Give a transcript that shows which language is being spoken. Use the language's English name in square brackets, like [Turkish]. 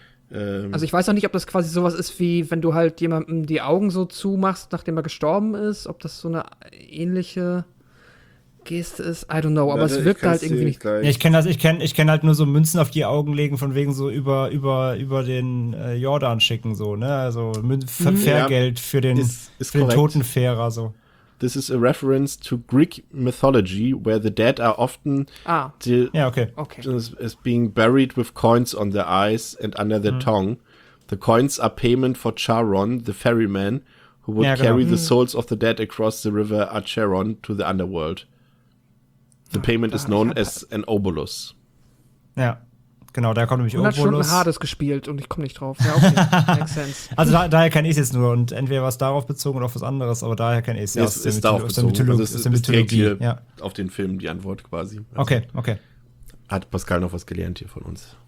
[German] Also ich weiß auch nicht, ob das quasi sowas ist, wie wenn du halt jemandem die Augen so zumachst, nachdem er gestorben ist, ob das so eine ähnliche Geste ist, [English] I don't know, [German] aber na, es wirkt halt irgendwie nicht. Ja, ich kenne halt nur so Münzen auf die Augen legen, von wegen so über den Jordan schicken, so, ne? Also Fairgeld für den, den Totenfährer, so. [English] This is a reference to Greek mythology, where the dead are often as being buried with coins on their eyes and under their tongue. The coins are payment for Charon, the ferryman, who would carry the souls of the dead across the river Acheron to the underworld. The payment is known as an obolus. [German] Ja, genau, da kommt nämlich Obolus. 100 Stunden Hades gespielt und ich komme nicht drauf. [English] Ja, okay, makes sense. [German] Also daher kenne ich es jetzt nur und entweder war es darauf bezogen oder auf was anderes, aber daher kenne ich es. Es ist darauf bezogen. Es ist Mythologie. Auf den Film die Antwort quasi. Also okay. Hat Pascal noch was gelernt hier von uns?